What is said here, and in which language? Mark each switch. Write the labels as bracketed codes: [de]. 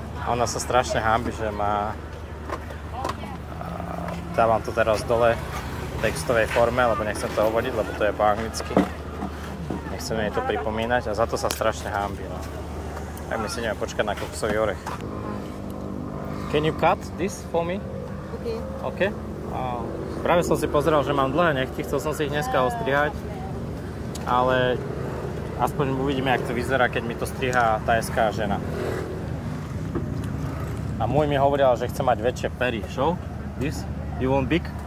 [sk] Ona sa strašne hanbí, že má... Dávam to teraz dole v textovej forme, lebo nechcem to hovoriť, lebo to je po anglicky. Nechcem jej to pripomínať a za to sa strašne hanbí, no. Tak my si ideme počkať na kokosový orech. [en] Can you cut this for me? OK. [sk] Práve som si pozeral, že mám dlhé nechty, chcel som si ich dneska ostrihať. Ale aspoň uvidíme, jak to vyzerá, keď mi to strihá tajská žena. A môj mi hovoril, že chce mať väčšie pery. [en] Show this? You want big?